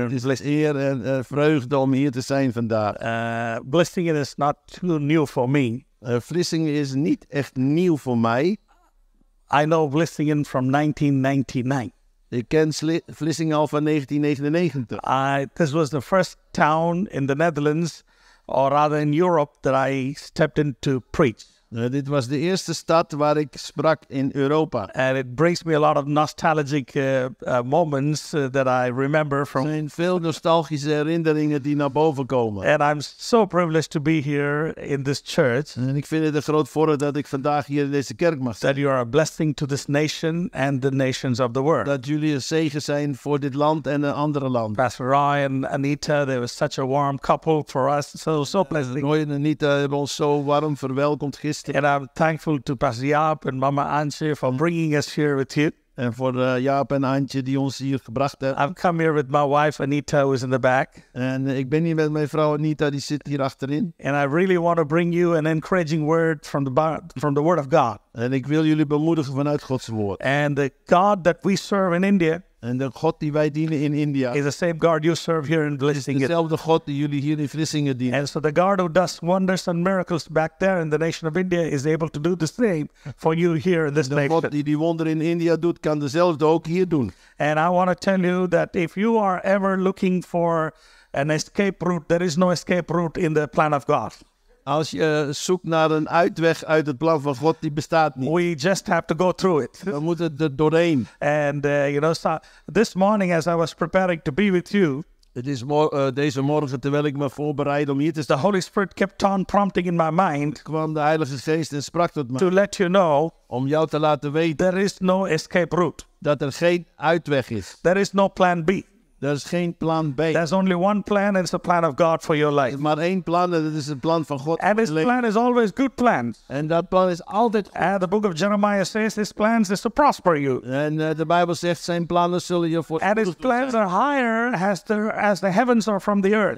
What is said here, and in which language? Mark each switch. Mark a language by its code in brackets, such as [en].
[nl] Het is eer en vreugde om hier te zijn vandaag. [en] Vlissingen is not too new for me. [nl] Vlissingen is niet echt nieuw voor mij. [en] I know Vlissingen from 1999. [nl] Ik ken Vlissingen al van 1999. [en] This was the first town in the Netherlands, or rather in Europe, that I stepped in to preach. [nl] Dit was de eerste stad waar ik sprak in Europa. [en] And it brings me a lot of nostalgic moments that I remember from. [nl] Zijn veel nostalgische herinneringen die naar boven komen. [en] And I'm so privileged to be here in this church. [nl] En ik vind het een groot voorrecht dat ik vandaag hier in deze kerk mag zijn. [en] That you are a blessing to this nation and the nations of the world. [nl] Dat jullie een zegen zijn voor dit land en een andere land. [en] Pastor Roy and Anita, they were such a warm couple for us. So pleasant. [nl] Roy en Anita hebben ons zo warm verwelkomd. [en] And I'm thankful to Pastor Jaap and Mama Antje for bringing us here with you. And for [nl] Jaap and Antje die ons hier gebracht hebben. [en] I've come here with my wife Anita who is in the back. [nl] And ik ben hier met mijn vrouw Anita die zit hier achterin. [en] And I really want to bring you an encouraging word from the Word of God. [nl] En ik wil jullie bemoedigen vanuit Gods woord. [en] And the God that we serve in India. [nl] En de God die wij dienen in India. [en] Is the same God you serve here in Vlissingen. [nl] Dezelfde God die jullie hier in Vlissingen dienen. [en] And so the God who does wonders and miracles back there in the nation of India is able to do the same for you here in this [nl] nation. De God die wonder in India doet, kan dezelfde ook hier doen. [en] And I want to tell you that if you are ever looking for an escape route, there is no escape route in the plan of God. [nl] Als je zoekt naar een uitweg uit het plan van God, die bestaat niet. [en] We just have to go through it. [nl] We moeten er doorheen. [en] And you know, so this morning as I was preparing to be with you. [nl] Het is deze morgen terwijl ik me voorbereid om hier te zijn. [en] The Holy Spirit kept on prompting in my mind. [nl] Kwam de Heilige Geest en sprak tot me. [en] To let you know. [nl] Om jou te laten weten. [en] There is no escape route. [nl] Dat er geen uitweg is. [en] There is no plan B. [nl] Er is geen plan B. [en] There's only one plan, and it's the plan of God for your life. [nl] Maar één plan, en dat is het plan van God. [en] And His plan is always good plans. [nl] En dat plan is altijd. [en] And the book of Jeremiah says His plans is to prosper you. [nl] En de Bijbel zegt zijn plannen zullen je voor. [en] And His plans are higher as the heavens are from the earth.